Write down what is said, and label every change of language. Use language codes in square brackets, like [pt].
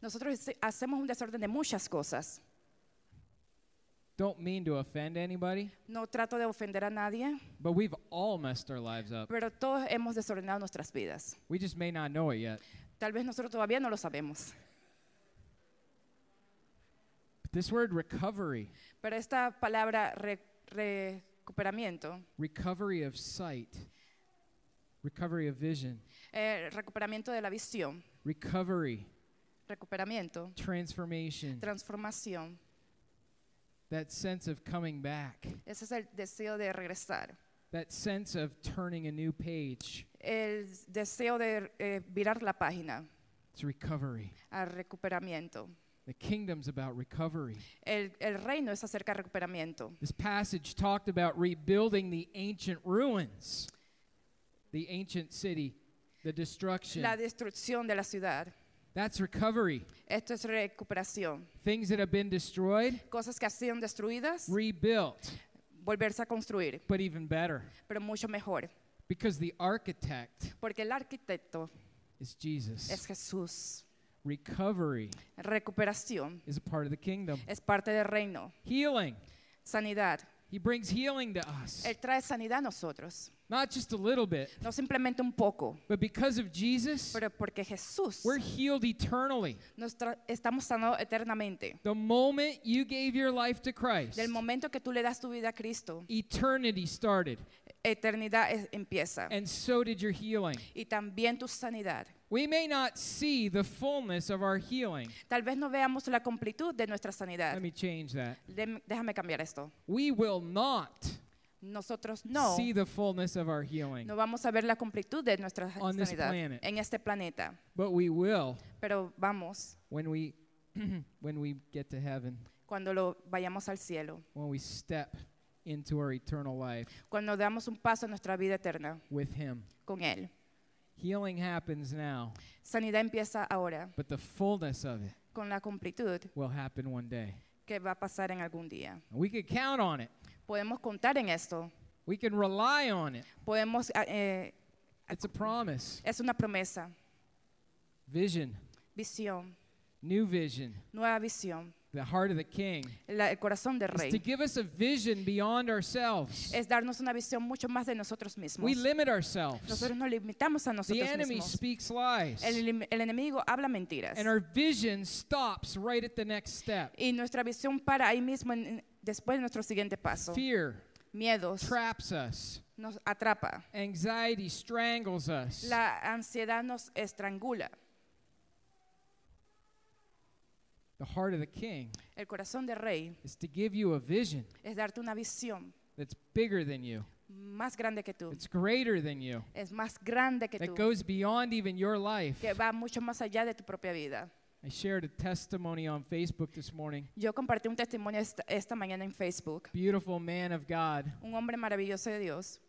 [es] Nosotros hacemos un desorden de muchas cosas. [en] Don't mean to offend anybody. [es] No trato de ofender a nadie. [en] But we've all messed our lives up. [es] Pero todos hemos desordenado nuestras vidas. [en] We just may not know it yet. [es] Tal vez nosotros todavía no lo sabemos. [en] But this word recovery. [es] Pero esta palabra recuperamiento. [en] Recovery of sight. Recovery of vision. [es] Recuperamiento de la visión. [en] Recovery. [es] Recuperamiento. [en] Transformation. [es] Transformación. [en] That sense of coming back. [es] Ese es el deseo de regresar. [en] That sense of turning a new page. [es] El deseo de virar la página. [en] It's recovery. [es] A recuperamiento. [en] The kingdom's about recovery. [es] El reino es acerca de recuperamiento. [en] This passage talked about rebuilding the ancient ruins. The ancient city. The destruction. [es] La destrucción de la ciudad. [en] That's recovery. [es] Esto es recuperación. [en] Things that have been destroyed. [es] Cosas que han sido destruidas. [en] Rebuilt. [es] Volverse a construir. [en] But even better. [es] Pero mucho mejor. [en] Because the architect. [es] Porque el arquitecto. [en] Is Jesus. [es] Es Jesús. [en] Recovery. [es] Recuperación. [en] Is a part of the kingdom. [es] Es parte del reino. [en] Healing. [es] Sanidad. [en] He brings healing to us. [es] Él trae sanidad a nosotros. [en] Not just a little bit. [es] No simplemente un poco. [en] But because of Jesus, [es] pero porque Jesús, [en] we're healed eternally. [es] Estamos sanados eternamente. [en] The moment you gave your life to Christ, [es] del momento que tú le das tu vida a Cristo, [en] eternity started. [es] Eternidad empieza. [en] And so did your healing. [es] Y también tu sanidad. [en] We may not see the fullness of our healing. [es] Tal vez no veamos la completud de nuestra sanidad. [en] Let me change that. [es] Déjame cambiar esto. [en] We will not [es] nosotros no [en] see the fullness of our healing. [es] No vamos a ver la completud de nuestra [en] on [es] sanidad [en] this planet. [es] En este planeta. [en] But we will. [es] Pero vamos. [en] When we get to heaven. [es] Cuando lo vayamos al cielo. [en] When we step into our eternal life. [es] Cuando damos un paso a nuestra vida eterna. [en] With him. [es] Con él. [en] Healing happens now. [es] Sanidad empieza ahora. [en] But the fullness of it. [es] Con la completud. [en] Will happen one day. [es] Que va a pasar en algún día. [en] And we could count on it. [es] Podemos contar en esto. [en] We can rely on it. [es] Podemos, [en] it's a promise. [es] Es una promesa. [en] Vision. [es] Visión. [en] New vision. [es] Nueva visión. [en] The heart of the king. [es] El corazón del rey. [en] Is to give us a vision beyond ourselves. [es] Es darnos una visión mucho más de nosotros mismos. [en] We limit ourselves. [es] Nosotros nos limitamos a nosotros [en] mismos. The enemy speaks lies. [es] El enemigo habla mentiras. [en] And our vision stops right at the next step. [es] Y nuestra visión para ahí mismo después de nuestro siguiente paso. [en] Fear. [es] Miedos. [en] Traps us. [es] Nos atrapa. [en] Anxiety strangles us. [es] La ansiedad nos estrangula. [en] The heart of the king. [es] El corazón del rey. [en] Is to give you a vision. [es] Es darte una visión. [en] That's bigger than you. [es] Más grande que tú. [en] It's greater than you. [es] Es más grande que tú. [en] That goes beyond even your life. [es] Que va mucho más allá de tu propia vida. [en] I shared a testimony on Facebook this morning. [es] Yo compartí un testimonio esta mañana en Facebook. [en] Beautiful man of God. [es] Un hombre maravilloso de Dios.